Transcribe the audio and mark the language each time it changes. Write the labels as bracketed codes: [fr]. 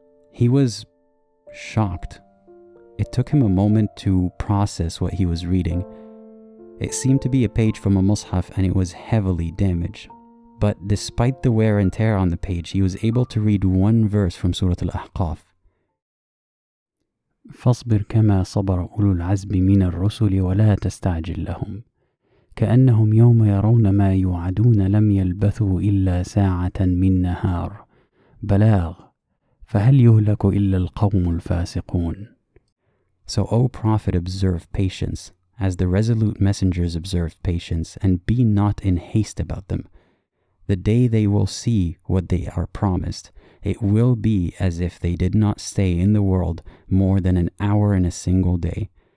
[en] He was shocked. It took him a moment to process what he was reading. It seemed to be a page from a mushaf and it was heavily damaged. But despite the wear and tear on the page, he was able to read one verse from Surah Al-Ahqaf. [ar] فاصبر كما صبر أولو العزم من الرسل ولا تستعجل لهم كأنهم يوم يرون ما يوعدون لم يلبثوا إلا ساعة من نهار بلاغ فهل يهلك إلا القوم الفاسقون. [en] So, O Prophet, observe patience, as the resolute messengers observed patience, and be not in haste about them. The day they will see what they are promised, it will be as if they did not stay in the world more than an hour in a single day.